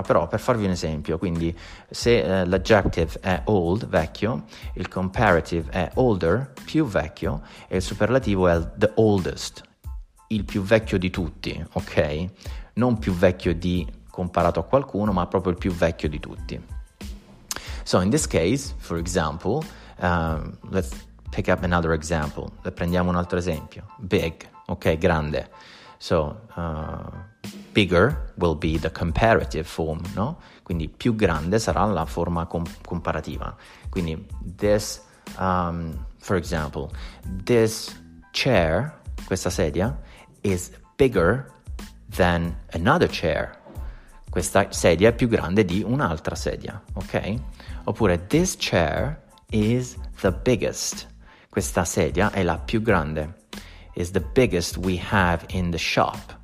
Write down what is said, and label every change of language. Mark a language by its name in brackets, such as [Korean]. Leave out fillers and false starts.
[Italian] Però per farvi un esempio, quindi se l'adjective è old, vecchio, il comparative è older, più vecchio, e il superlativo è the oldest, il più vecchio di tutti, ok? Non più vecchio di comparato a qualcuno, ma proprio il più vecchio di tutti. [English] So in this case, for example, let's pick up another example. [Italian] Prendiamo un altro esempio. [English] Big, ok, grande. So bigger will be the comparative form, no? [Italian] Quindi più grande sarà la forma comparativa. [English] Quindi this, for example, this chair, [Italian] questa sedia, [English] is bigger than another chair. [Italian] Questa sedia è più grande di un'altra sedia, ok? [English] Oppure, this chair is the biggest. [Italian] Questa sedia è la più grande. [English] Is the biggest we have in the shop.